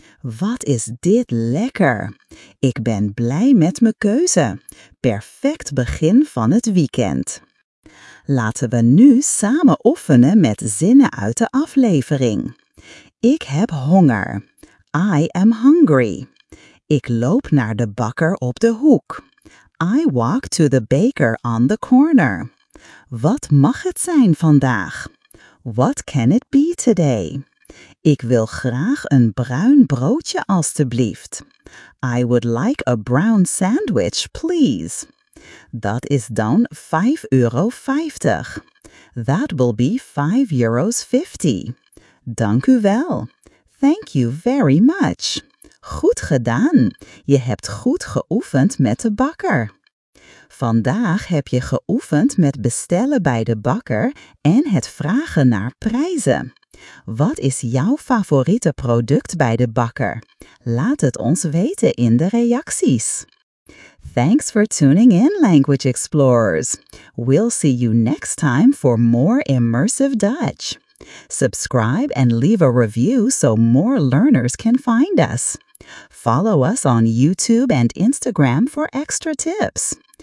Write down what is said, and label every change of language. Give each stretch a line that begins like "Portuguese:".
Dutch: Wat is dit lekker! Ik ben blij met mijn keuze. Perfect begin van het weekend. Laten we nu samen oefenen met zinnen uit de aflevering. Ik heb honger.
English: I am hungry.
Dutch: Ik loop naar de bakker op de hoek.
English: I walk to the baker on the corner.
Dutch: Wat mag het zijn vandaag?
English: What can it be today?
Dutch: Ik wil graag een bruin broodje, alstublieft.
English: I would like a brown sandwich, please.
Dutch: Dat is dan €5,50.
English: That will be €5,50.
Dutch: Dank u wel.
English: Thank you very much.
Dutch: Goed gedaan. Je hebt goed geoefend met de bakker. Vandaag heb je geoefend met bestellen bij de bakker en het vragen naar prijzen. Wat is jouw favoriete product bij de bakker? Laat het ons weten in de reacties.
English: Thanks for tuning in, Language Explorers. We'll see you next time for more immersive Dutch. Subscribe and leave a review so more learners can find us. Follow us on YouTube and Instagram for extra tips.